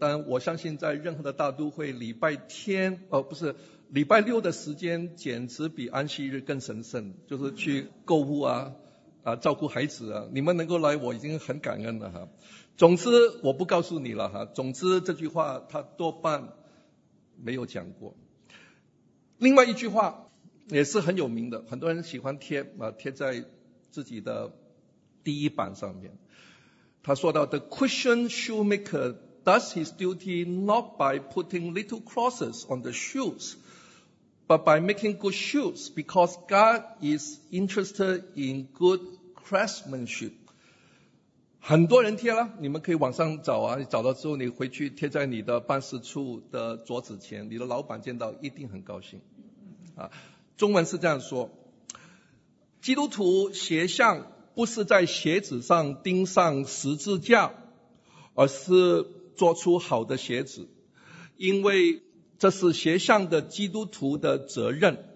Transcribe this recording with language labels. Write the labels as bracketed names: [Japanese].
[Chinese] 但我相信在任何的大都会，礼拜天不是礼拜六的时间简直比安息日更神圣，就是去购物啊照顾孩子啊，你们能够来我已经很感恩了哈。总之我不告诉你了哈，总之这句话他多半没有讲过。另外一句话也是很有名的，很多人喜欢贴贴在自己的第一版上面。他说到 [English] The cushion shoemaker does his duty not by putting little crosses on the shoes, but by making good shoes, because God is interested in good craftsmanship. [Chinese] 很多人贴了，你们可以网上找啊，找到之后你回去贴在你的办事处的桌子前，你的老板见到一定很高兴啊。中文是这样说，基督徒鞋像不是在鞋子上钉上十字架，而是做出好的鞋子，因为这是鞋像的基督徒的责任。